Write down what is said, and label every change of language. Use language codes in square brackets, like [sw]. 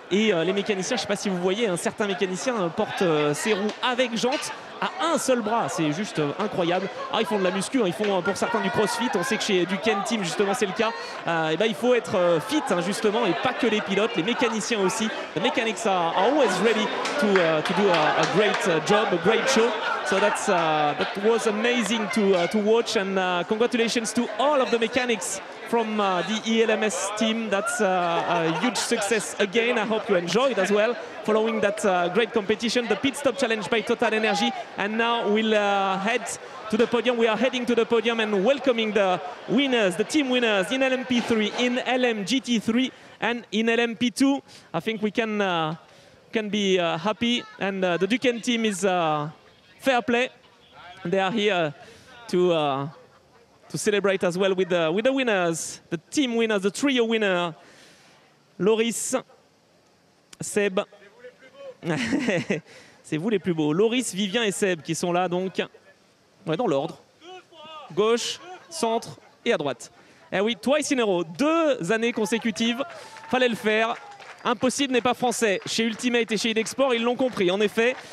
[fr] Et les mécaniciens, je ne sais pas si vous voyez, certains mécaniciens portent ces roues avec jantes à un seul bras. C'est juste incroyable. Ah, ils font de la muscu, ils font pour certains du crossfit. On sait que chez Duquesne Team, justement, c'est le cas. Et il faut être fit, justement, et pas que les pilotes, les mécaniciens aussi. [en] The mechanics are always ready to do a great job, a great show. So that's that was amazing to watch, and congratulations to all of the mechanics from the ELMS team. That's a huge success again. I hope you enjoyed as well following that great competition, the pit stop challenge by Total Energy. And now we'll head to the podium. We are heading to the podium and welcoming the winners, the team winners in LMP3, in LMGT3, and in LMP2. I think we can be happy, and the Duquesne team is fair play. They are here to celebrate as well with the winners, the team winners, the trio winner, Loris, Seb, [fr] C'est vous les plus beaux. Loris, Vivien et Seb qui sont là, donc. Ouais, dans l'ordre. Gauche, centre et à droite. Eh oui, [en] twice in a row, [fr] deux années consécutives. Fallait le faire. Impossible n'est pas français. Chez Ultimate et chez Idexport, ils l'ont compris, en effet.